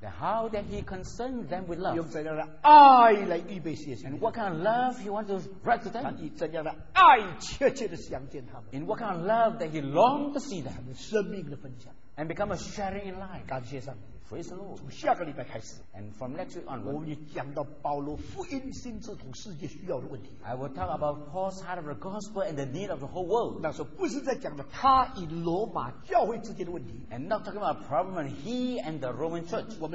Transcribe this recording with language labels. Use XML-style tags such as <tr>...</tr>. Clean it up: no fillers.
<en>that how that he concerned them with love,</en> <zh>用怎样的爱来预备写信,</zh> <en>and what kind of love he wants to write to them,</en> <zh>他以怎样的爱切切地想见他们,</zh> <en>and what kind of love that he longed to see them,</en> <zh>他们生命的分享,</zh> <en>and become a sharing in life.</en> <zh>感谢上帝,</zh> <en>praise the Lord.</en> <zh>从下个礼拜开始,</zh> <en>and from next week onward,</en> <zh>我们就讲到保罗福音心智图世界需要的问题,</zh> <en>I will talk about Paul's heart of the gospel and the need of the whole world.</en> <zh>那时候不是在讲的他与罗马教会之间的问题,</zh> <en>and not talking about a problem of he and the Roman church,</en>